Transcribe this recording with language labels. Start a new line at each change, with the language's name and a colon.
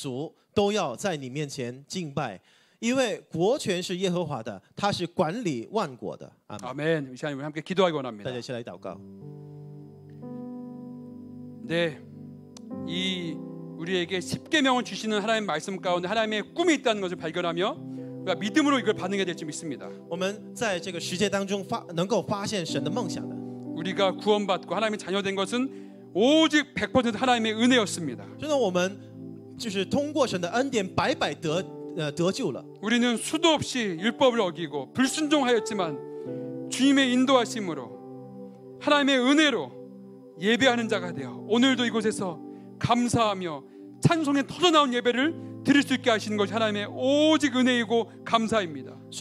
Chinese: 27절大家一起来读一下地的四极都要想念耶和华并且归顺他列国的万族都要在你面前敬拜 因为国权是耶和华的，他是管理万国的。
Korean: 아멘. 우리 하나님 함께 기도하기 원합니다.
Chinese: 大家一起来祷告。
Korean: 네, 이 우리에게 십계명을 주시는 하나님의 말씀 가운데 하나님의 꿈이 있다는 것을 발견하며 우리가 믿음으로 이걸 반응해야 될지 믿습니다.
Chinese: 我们在这个世界当中发能够发现神的梦想的。
Korean: 우리가 구원받고 하나님의 자녀된 것은 오직 100% 하나님의 은혜였습니다.
Chinese: 真的，我们就是通过神的恩典白白得。
Korean: 우리는 수도 없이 율법을 어기고 불순종하였지만 주님의 인도하심으로 하나님의 은혜로 예배하는 자가 되어 오늘도 이곳에서 감사하며 찬송에 터져나온 예배를 드릴 수 있게 하시는 것이 하나님의 오직 은혜이고 감사입니다.